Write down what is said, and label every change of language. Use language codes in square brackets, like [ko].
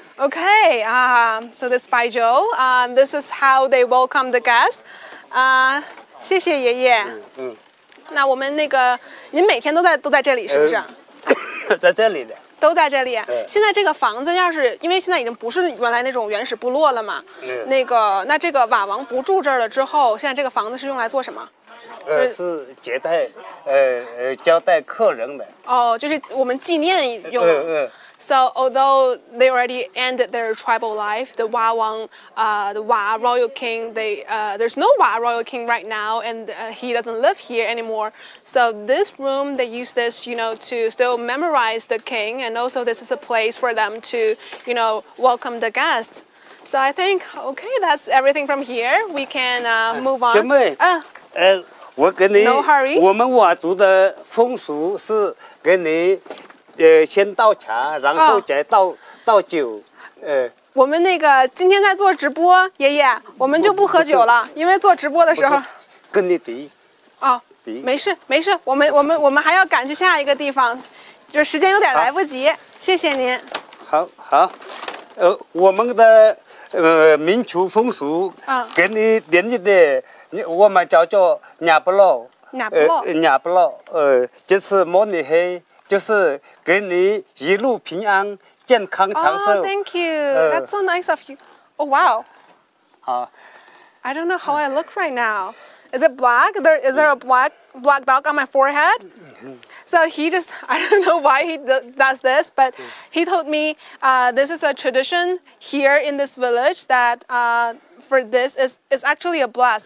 [en] Okay, so this is baijiu, this is how they welcome the guests. [zh] 谢谢爷爷。那我们那个，您每天都在这里是不是？在这里的。都在这里。现在这个房子要是，因为现在已经不是原来那种原始部落了嘛。那这个瓦王不住这儿了之后，现在这个房子是用来做什么？是接待交代客人的。哦，就是我们纪念用的。 [en] So although they already ended their tribal life, the Wa Wang, the Wa royal king, there's no Wa royal king right now, and he doesn't live here anymore. So this room, they use this, you know, to still memorize the king, and also this is a place for them to, you know, welcome the guests. So I think, okay, that's everything from here. We can move on. [zh] 小妹，我给你 [en] No hurry. [zh] 我们佤族的风俗是给你先倒茶，然后再倒、oh. 倒酒。我们那个今天在做直播，爷爷，我们就不喝酒了，因为做直播的时候。跟你敌。哦、oh, ，没事没事，我们还要赶去下一个地方，就时间有点来不及。谢谢您。好，好，我们的民族风俗啊，给你点一点，我们叫做伢不老。伢不老。伢不老，就是摸你黑。就是给你一路平安、健康、长寿。 [en] Oh, thank you. That's so nice of you. Oh, wow. [zh] 好。 [en] I don't know how I look right now. Is it black? Is there a black dog on my forehead? So he just, I don't know why he does this, but he told me this is a tradition here in this village that for this is actually a blast.